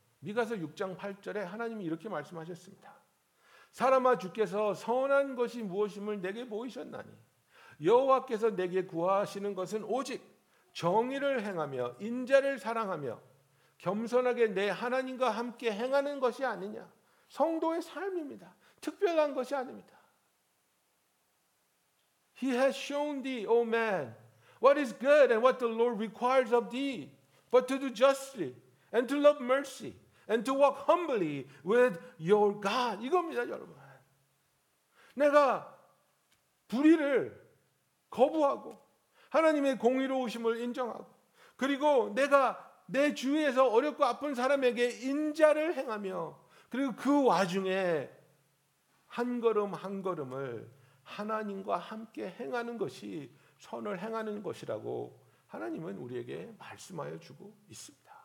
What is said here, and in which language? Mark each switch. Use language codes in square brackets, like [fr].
[ko] 미가서 6장 8절에 하나님이 이렇게 말씀하셨습니다. 사람아 주께서 선한 것이 무엇임을 내게 보이셨나니 여호와께서 내게 구하시는 것은 오직 정의를 행하며 인자를 사랑하며 겸손하게 내 하나님과 함께 행하는 것이 아니냐. 성도의 삶입니다. 특별한 것이 아닙니다. [en] He has shown thee, O man, what is good and what the Lord requires of thee, but to do justly and to love mercy and to walk humbly with your God. [ko] 이겁니다, 여러분. 내가 불의를 거부하고 하나님의 공의로우심을 인정하고 그리고 내가 내 주위에서 어렵고 아픈 사람에게 인자를 행하며 그리고 그 와중에 한 걸음 한 걸음을 하나님과 함께 행하는 것이 선을 행하는 것이라고 하나님은 우리에게 말씀하여 주고 있습니다.